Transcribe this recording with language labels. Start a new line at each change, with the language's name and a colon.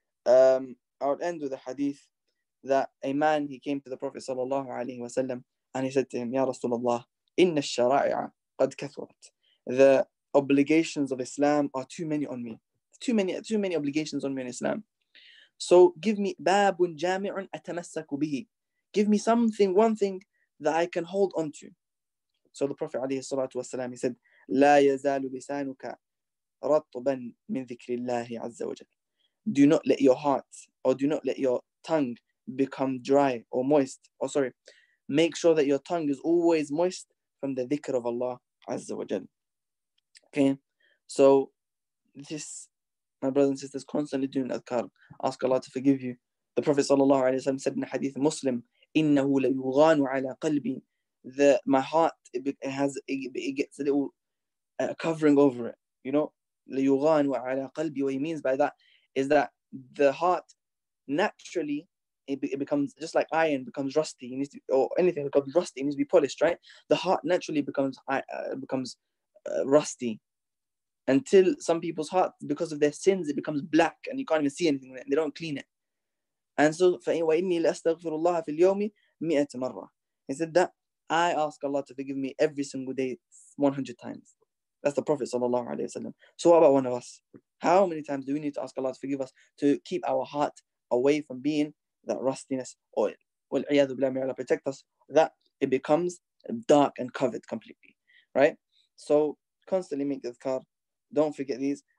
English: I'll end with a hadith that a man, he came to the Prophet sallallahu alayhi wa sallam, and he said to him,
Arabic: Ya Rasulullah, inna al-shara'i'a qad kathurat.
English: The obligations of Islam are too many on me. Too many obligations on me in Islam. So give me
Arabic: babun jami'un atamassaku bihi.
English: Give me something, one thing that I can hold on to. So the Prophet
Arabic: عليه الصلاة والسلام,
English: he said,
Arabic: لا يزال لسانك رطبا من ذكر الله عز وجل.
English: Do not let your heart, or do not let your tongue become dry or moist. Make sure that your tongue is always moist from the dhikr of Allah عز وجل. Okay, so this, my brothers and sisters, constantly doing adhkar. Ask Allah to forgive you. The Prophet sallallahu alayhi wa sallam said in a hadith Muslim,
Arabic: إِنَّهُ لَيُغَانُ عَلَى قَلْبِي.
English: That my heart, it gets a little covering over it. You know,
Arabic: لَيُغَانُ عَلَى قَلْبِي.
English: What he means by that is that the heart naturally, it becomes just like iron, becomes rusty. Anything becomes rusty, it needs to be polished, right? The heart naturally becomes rusty, until some people's heart, because of their sins, it becomes black and you can't even see anything, and they don't clean it. And so,
Arabic: فَإِنِّي لَأَسْتَغْفِرُ اللَّهَ فِي الْيَوْمِ 100 مَرَّةٍ.
English: He said that I ask Allah to forgive me every single day 100 times. That's the Prophet sallallahu alayhi wa sallam. So what about one of us? How many times do we need to ask Allah to forgive us, to keep our heart away from being that rustiness, or
Arabic: وَالْعِيَاذُ بِلَا مِعَلَى,
English: protect us, that it becomes dark and covered completely, right? So constantly make adhkar. Don't forget these.